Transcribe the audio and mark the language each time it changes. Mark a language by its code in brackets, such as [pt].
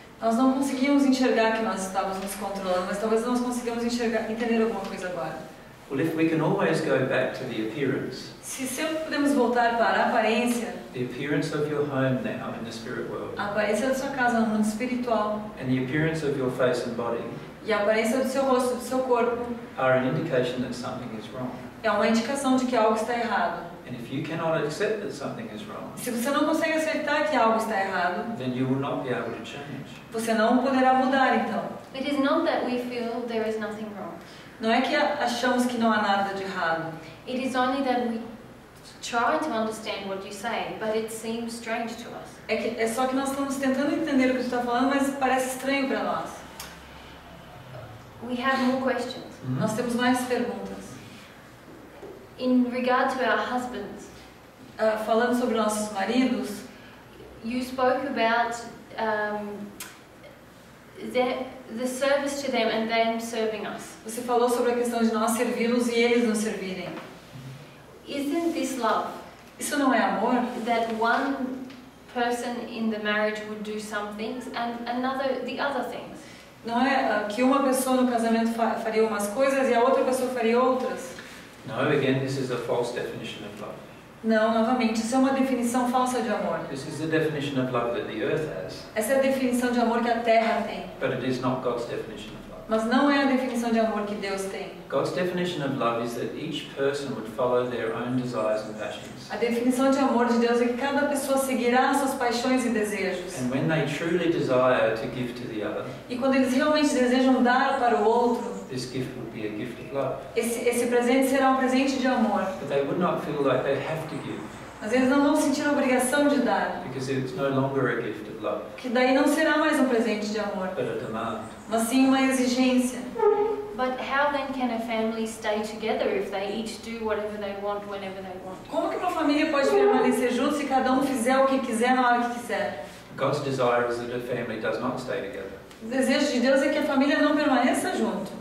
[pt] Nós não conseguimos enxergar que nós estávamos nos controlando, mas talvez nós conseguimos entender alguma coisa agora. [en] Well, if we can always go back to the appearance. [pt] Se sempre podemos voltar para a aparência. [en] The appearance of your home now in the spirit world. [pt] A aparência da sua casa no mundo espiritual. [en] And the appearance of your face and body. [pt] E a aparência do seu rosto, do seu corpo. [en] Are an indication that something is wrong. [pt] É uma indicação de que algo está errado. [en] And if you cannot accept that something is wrong, [pt] se você não consegue aceitar que algo está errado, [en] then you will not be able to change. [pt] Você não poderá mudar então. [en] It is not that we feel there is nothing wrong. [pt] Não é que achamos que não há nada de errado. [en] It is only that we try to understand what you say, but it seems strange to us. [pt] É só que nós estamos tentando entender o que você está falando, mas parece estranho para nós. [en] We have more questions. [pt] Mm-hmm. Nós temos mais perguntas. [en] In regard to our husbands, [pt] falando sobre nossos maridos, [en] you spoke about the service to them and them serving us. [pt] Você falou sobre a questão de nós servi-los e eles nos servirem. [en] Isn't this love? [pt] Isso não é amor? [en] That one person in the marriage would do some things and another the other things. [pt] Não é que uma pessoa no casamento faria umas coisas e a outra pessoa faria outras. [en] No, again, this is a false definition of love. [pt] Não, novamente, isso é uma definição falsa de amor. [en] This is the definition of love that the earth has. [pt] Essa é a definição de amor que a terra tem. [en] But it is not God's definition of love. [pt] Mas não é a definição de amor que Deus tem. [en] God's definition of love is that each person would follow their own desires and passions. [pt] A definição de amor de Deus é que cada pessoa seguirá suas paixões e desejos. [en] And when they truly desire to give to the other. [pt] E quando eles realmente desejam dar para o outro. [en] This gift would be a gift of love. [pt] Esse presente será um presente de amor. [en] But they would not feel like they have to give. [pt] Mas eles não vão sentir a obrigação de dar. [en] Because it's no longer a gift of love. [pt] Que daí não será mais um presente de amor. [en] But a demand. [pt] Mas sim uma exigência. [en] But how then can a family stay together if they each do whatever they want whenever they want? [pt] Como que uma família pode permanecer junto se cada um fizer o que quiser na hora que quiser? [en] God's desire is that a family does not stay together. [pt] O desejo de Deus é que a família não permaneça junto.